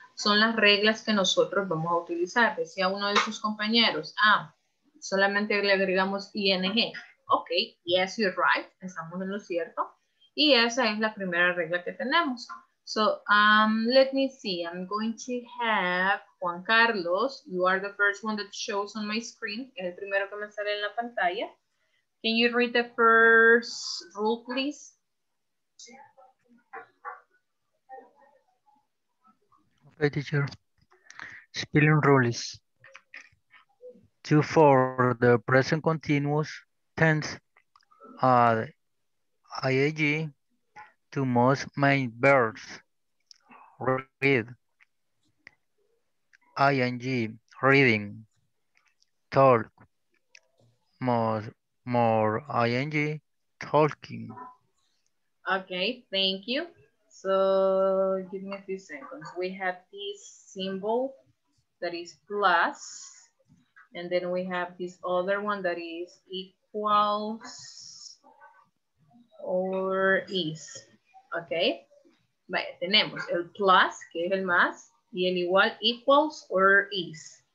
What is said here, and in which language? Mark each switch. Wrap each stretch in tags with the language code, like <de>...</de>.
<es>Son las reglas que nosotros vamos a utilizar. Decía uno de sus compañeros, ah, solamente le agregamos ing.</es> <en>Ok, yes, you're right.</en> <es>Estamos en lo cierto. Y esa es la primera regla que tenemos.</es> <en>So, let me see. I'm going to have Juan Carlos. You are the first one that shows on my screen.</en> <es>Es el primero que me sale en la pantalla.</es> <en>Can you read the first rule, please? Okay, teacher. Spelling rules. 2-4, the present continuous tense. IAG. To most main verbs, read, ing, reading, talk, more ing, talking. Okay, thank you. So give me a few seconds. We have this symbol that is plus, and then we have this other one that is equals or is.</en> <es>Ok, vaya, tenemos el plus, que es el más, y el igual,</es> <en>equals or is.</en>